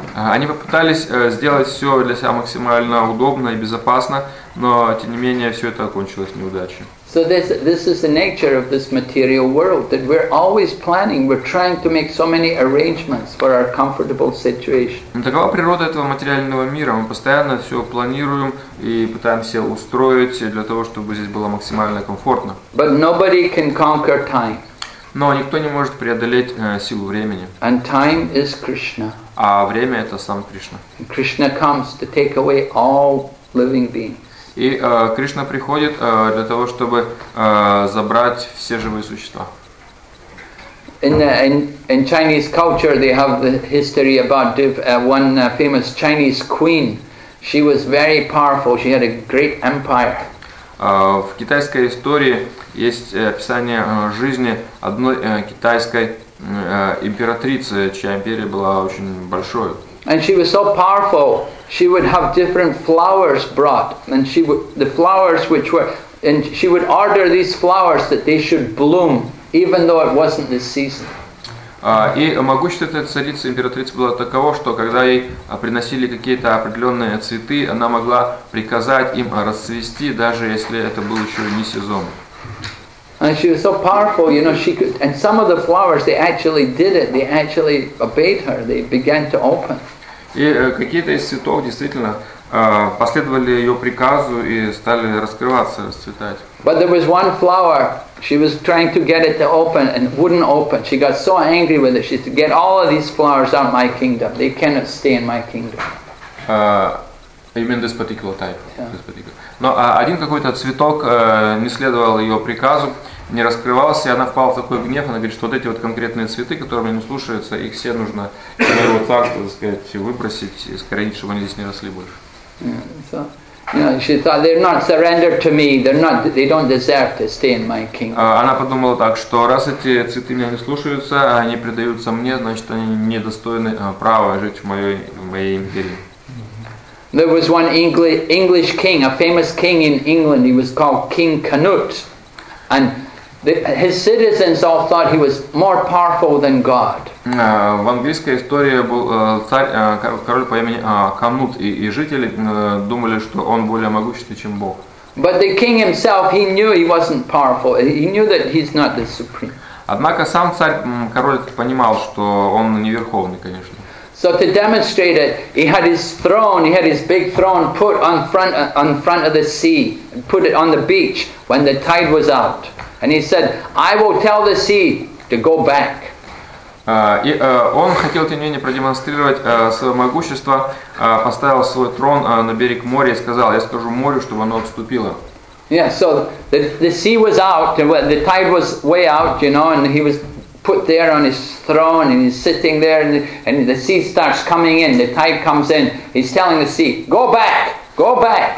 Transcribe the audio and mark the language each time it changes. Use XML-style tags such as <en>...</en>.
<ru>Они попытались сделать все для себя максимально удобно и безопасно, но тем не менее все это окончилось неудачей.</ru> <en>So this is the nature of this material world, that we're always planning, we're trying to make so many arrangements for our comfortable situation.</en> <ru>Такова природа этого материального мира. Мы постоянно все планируем и пытаемся устроить для того, чтобы здесь было максимально комфортно.</ru> <en>But nobody can conquer time.</en> <ru>Но никто не может преодолеть силу времени.</ru> <en>And time is Krishna.</en> <ru>А время это сам Кришна.</ru> <en>Krishna comes to take away all living beings.</en> <ru>И Кришна приходит для того, чтобы забрать все живые существа.</ru> <en>In Chinese culture, they have the history about one famous Chinese queen. She was very powerful. She had a great empire.</en> <ru>В китайской истории есть описание жизни одной китайской императрицы, чья империя была очень большой.</ru> <en>And she was so powerful, she would have different flowers brought, and she would order these flowers that they should bloom, even though it wasn't the season.</en> <ru>И могущественная царица, императрица была такова, что когда ей приносили какие-то определенные цветы, она могла приказать им расцвести, даже если это был еще не сезон.</ru> <en>And she was so powerful, you know, she could, and some of the flowers, they actually did it, they actually obeyed her, they began to open.</en> <ru>И какие-то из цветов действительно последовали ее приказу и стали раскрываться, расцветать.</ru> <en>But there was one flower, she was trying to get it to open and wouldn't open. She got so angry with it, she said, get all of these flowers out of my kingdom, they cannot stay in my kingdom.</en> <ru>Именно</ru> <en>this particular type. Yeah. This particular.</en> <ru>Но один какой-то цветок не следовал ее приказу, не раскрывался, и она впала в такой гнев, она говорит, что вот эти вот конкретные цветы, которыми не слушаются, их все нужно вот так, так сказать, выбросить, искоренить, чтобы они здесь не росли больше.</ru> <en>Yeah. So, you know, she thought, they're not surrendered to me, they're not, they don't deserve to stay in my kingdom.</en> <ru>Она подумала так, что раз эти цветы меня не слушаются, они предаются мне, значит, они недостойны права жить в моей империи.</ru> <en>There was one English king, a famous king in England, he was called King Canute. And his citizens all thought he was more powerful than God.</en> <ru>В английской истории был король по имени Канут, и жители думали, что он более могущественный, чем Бог.</ru> <en>But the king himself, he knew he wasn't powerful, he knew that he's not the supreme.</en> <ru>Однако сам царь, король, понимал, что он не верховный, конечно.</ru> <en>So to demonstrate it, he had his throne, he had his big throne put on front of the sea, and put it on the beach when the tide was out. And he said, I will tell the sea to go back.</en> <ru>Он хотел, тем не менее, продемонстрировать свое могущество, поставил свой трон на берег моря и сказал, я скажу морю, чтобы оно отступило.</ru> <en>Yeah, so the sea was out, the tide was way out, you know, and he was put there on his throne and he's sitting there and the sea starts coming in, the tide comes in, he's telling the sea, go back, go back.</en>